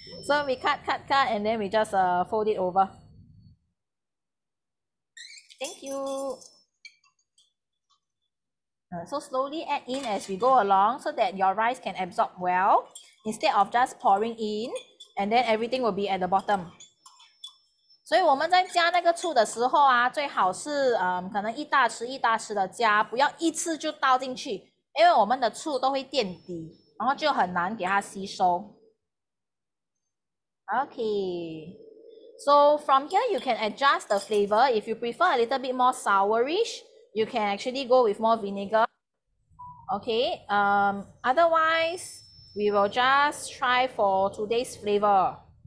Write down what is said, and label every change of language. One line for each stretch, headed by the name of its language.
English: So we cut, and then we just fold it over. Thank you. So slowly add in as we go along so that your rice can absorb well instead of just pouring in and then everything will be at the bottom.
Chinese: 所以我们在加那个醋的时候啊，最好是可能一大匙一大匙的加，不要一次就倒进去，因为我们的醋都会垫底，然后就很难给它吸收。
English: Okay, so from here you can adjust the flavor. If you prefer a little bit more sourish, you can actually go with more vinegar. Okay, otherwise, we will just try for today's flavor.